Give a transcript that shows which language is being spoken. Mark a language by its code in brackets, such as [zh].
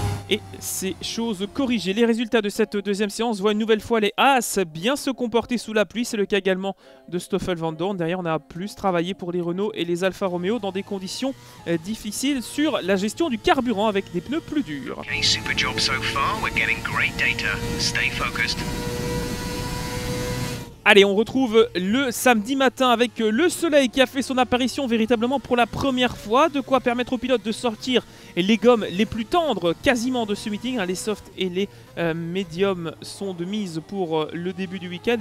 [fr] Et c'est chose corrigée. Les résultats de cette deuxième séance voient une nouvelle fois les As bien se comporter sous la pluie. C'est le cas également de Stoffel Vandoorne. Derrière, on a plus travaillé pour les Renault et les Alfa Romeo dans des conditions difficiles sur la gestion du carburant avec des pneus plus durs. [en] Okay, super job so far. We're getting great data. Stay focused. [fr] Allez, on retrouve le samedi matin avec le soleil qui a fait son apparition véritablement pour la première fois. De quoi permettre aux pilotes de sortir les gommes les plus tendres quasiment de ce meeting. Les softs et les médiums sont de mise pour le début du week-end.